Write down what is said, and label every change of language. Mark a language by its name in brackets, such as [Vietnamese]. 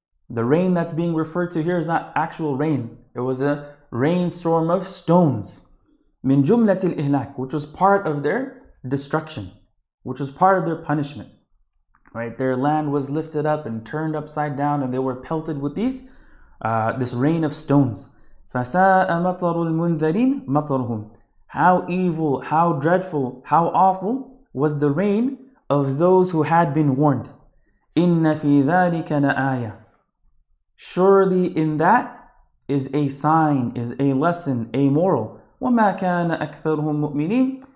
[English] The rain that's being referred to here is not actual rain. It was a rainstorm of stones. [Arabic] Min jumlat al-ihlak, [English] which was part of their destruction, which was part of their punishment. Right? Their land was lifted up and turned upside down, and they were pelted with these this rain of stones. [Arabic] فَسَاءَ مَطَرُ الْمُنذَرِينَ مَطَرُهُمْ. [English] How evil, how dreadful, how awful was the rain of those who had been warned. [Arabic] إِنَّ فِي ذَلِكَ لَآيَةٌ. [English] Surely in that is a sign, is a lesson, a moral. [Arabic] وَمَا كَانَ أَكْثَرُهُمْ مُؤْمِنِينَ.